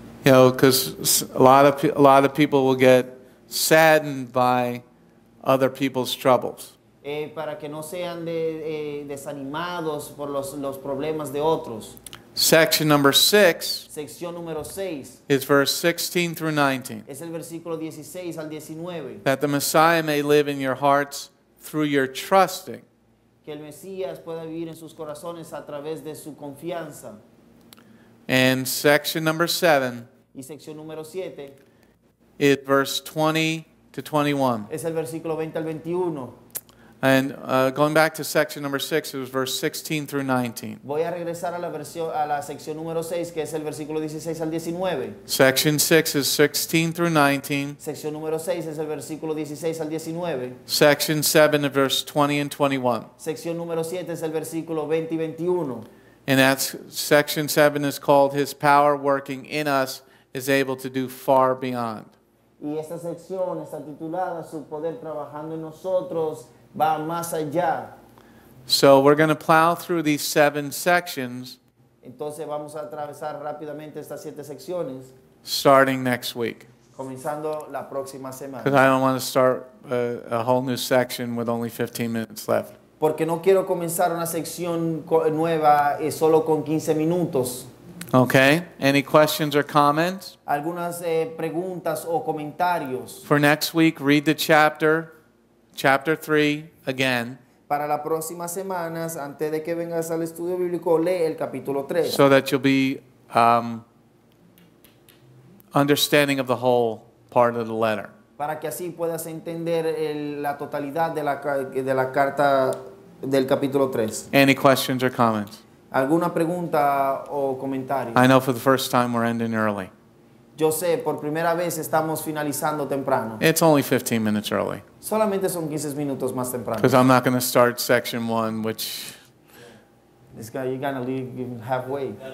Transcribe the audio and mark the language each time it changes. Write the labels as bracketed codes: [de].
[en] You know, because a lot of people will get saddened by other people's troubles. [es] Para que no sean desanimados por los problemas de otros. [en] Section number 6. [es] Sección número 6. [en] Is verse 16 through 19. [es] Es el versículo 16 al 19. [en] That the Messiah may live in your hearts through your trusting. [es] Que el Mesías pueda vivir en sus corazones a través de su confianza. [en] And section number 7. [es] Y sección número 7. [en] It verse 20 to 21. [es] Es el versículo 20 al 21. [en] And going back to section number 6, it was verse 16 through 19. [es] Voy a regresar a la sección número 6, que es el versículo 16 al 19. [en] Section 6 is 16 through 19. [es] Sección número 6 es el versículo 16 al 19. [en] Section 7 is verse 20 and 21. [es] Sección número 7 es el versículo 20 y 21. [en] And that's section 7 is called His power working in us is able to do far beyond. [es] Y esta sección está titulada Su poder trabajando en nosotros va más allá. [en] So we're going to plow through these 7 sections. [es] Entonces vamos a atravesar rápidamente estas 7 secciones. [en] Starting next week. [es] comenzando la próxima semana. [en] Because I don't want to start a whole new section with only 15 minutes left. [es] Porque no quiero comenzar una sección nueva solo con 15 minutos. [en] Okay. Any questions or comments? [es] Algunas preguntas o comentarios. [en] For next week, read the chapter 3 again. [es] Para las próximas semanas, antes de que vengas al estudio bíblico, lee el capítulo 3. [en] So that you'll be understanding of the whole part of the letter. [es] Para que así puedas entender la totalidad de la carta del capítulo 3. [en] Any questions or comments? [es] ¿Alguna pregunta o comentario? [en] I know for the first time we're ending early. [es] Yo sé, por primera vez estamos finalizando temprano. [en] It's only 15 minutes early. [es] Solamente son 15 minutos más temprano. [en] Because I'm not going to start section 1, which... This guy, you're going to leave halfway.